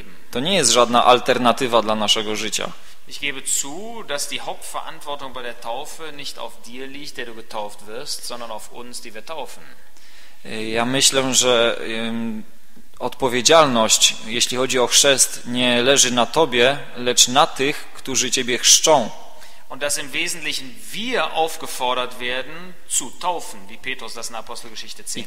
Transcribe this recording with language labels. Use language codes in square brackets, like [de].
[pl] To nie jest żadna alternatywa dla naszego życia. [de] Ich gebe zu, dass die Hauptverantwortung bei der Taufe nicht auf dir liegt, der du getauft wirst, sondern auf uns, die wir taufen. [pl] Ja myślę, że odpowiedzialność, jeśli chodzi o chrzest, nie leży na tobie, lecz na tych, którzy ciebie chrzczą. [de] Und dass im Wesentlichen wir aufgefordert werden zu taufen, wie Petrus das in Apostelgeschichte 10.